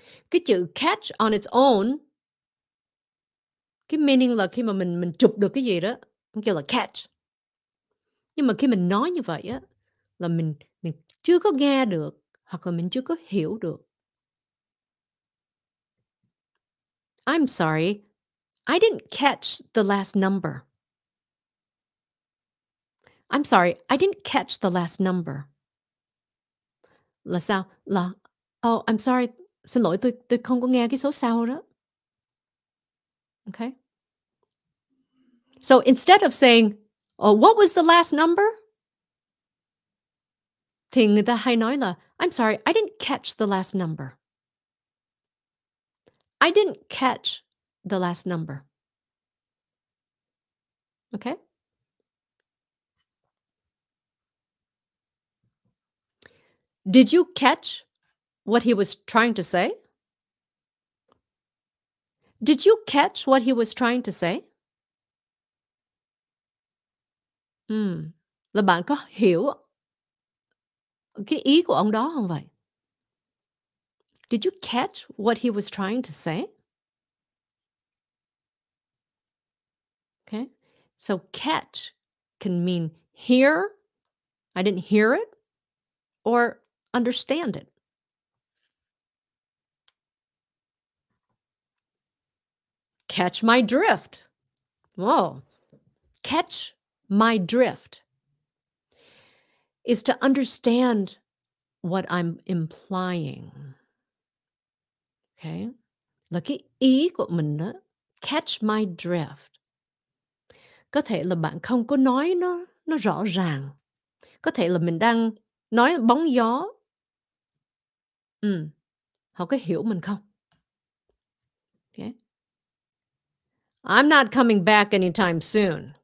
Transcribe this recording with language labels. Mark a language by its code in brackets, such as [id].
[vi] Cái chữ catch [en] on its own, [vi] cái meaning là khi mà mình chụp được cái gì đó, mình kêu là catch. Nhưng mà khi mình nói như vậy á, là mình chưa có nghe được hoặc là mình chưa có hiểu được. [en] I'm sorry, I didn't catch the last number. I'm sorry, I didn't catch the last number. [vi] Là sao? Là [en] oh, I'm sorry. [vi] Xin lỗi, tôi không có nghe cái số sau đó. [en] Okay. So instead of saying, oh, what was the last number? [vi] Thì người ta hay nói là, [en] I'm sorry, I didn't catch the last number. I didn't catch the last number. Okay. Did you catch what he was trying to say? Did you catch what he was trying to say? [vi] Là bạn có hiểu cái ý của ông đó không vậy? [en] Did you catch what he was trying to say? Okay. So catch can mean hear, I didn't hear it, or understand it. catch my drift. Whoa. Catch my drift is to understand what I'm implying. Okay. [vi] Là cái ý của mình đó, [en] catch my drift. [vi] Có thể là bạn không có nói nó rõ ràng. Có thể là mình đang nói bóng gió. Họ có hiểu mình không? Okay. [en] I'm not coming back anytime soon.